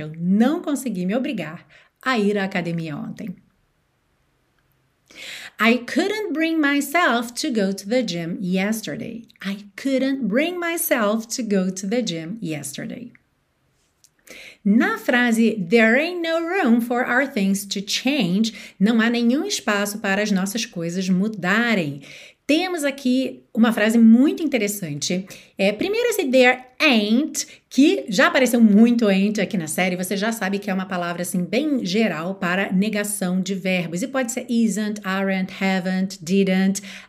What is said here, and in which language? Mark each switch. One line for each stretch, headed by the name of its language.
Portuguese: Eu não consegui me obrigar a ir à academia ontem.
English: I couldn't bring myself to go to the gym yesterday. I couldn't bring myself to go to the gym yesterday.
Portuguese: Na frase,
English: there ain't no room for our things to change,
Portuguese: não há nenhum espaço para as nossas coisas mudarem. Temos aqui uma frase muito interessante. Primeiro esse there ain't, que já apareceu muito ain't aqui na série, você já sabe que é uma palavra assim bem geral para negação de verbos. E pode ser isn't, aren't, haven't, didn't.